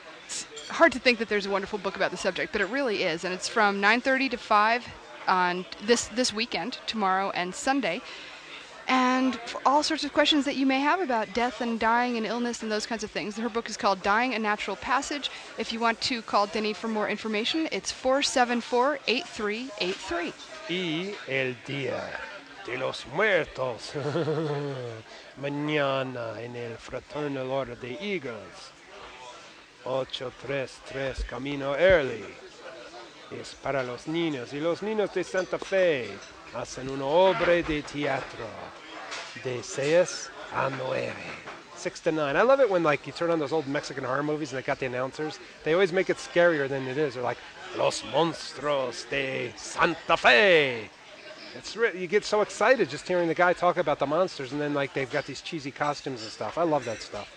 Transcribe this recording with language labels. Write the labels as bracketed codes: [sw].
[en] It's hard to think that there's a wonderful book about the subject, but it really is. And it's from 9:30 to 5 on this weekend, tomorrow and Sunday. And for all sorts of questions that you may have about death and dying and illness and those kinds of things. Her book is called Dying, A Natural Passage. If you want to call Denny for more information, it's 474-8383. [es] Y el día de los muertos. Mañana en el Fraternal Order de Eagles. 833 Camino Early. Es para los niños. Y los niños de Santa Fe hacen una obra de teatro. De seis a nueve. [en] 6 to 9. I love it when, like, you turn on those old Mexican horror movies and they got the announcers. They always make it scarier than it is. They're like, [es] Los Monstruos de Santa Fe. [en] You get so excited just hearing the guy talk about the monsters, and then, like, they've got these cheesy costumes and stuff. I love that stuff.